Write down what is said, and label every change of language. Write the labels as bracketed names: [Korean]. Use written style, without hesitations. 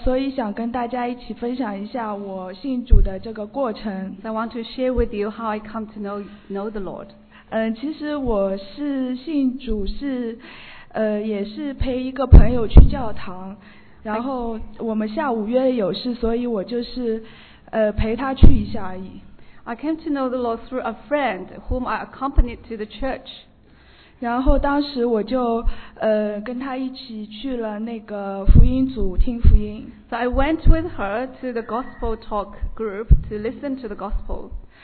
[Chinese] 所以想跟大家一起分享一下我信主的这个过程。 [English] So I want to share with you how I come to know the Lord. [Chinese] 其实我是信主是，也是陪一个朋友去教堂，然后我们下午约有事，所以我就是，陪他去一下而已。 [English] I came to know the Lord through a friend whom I accompanied to the church. [Chinese] 然后当时我就跟他一起去了那个福音组听福音。 [English] So I went with her to the gospel talk group to listen to the gospel.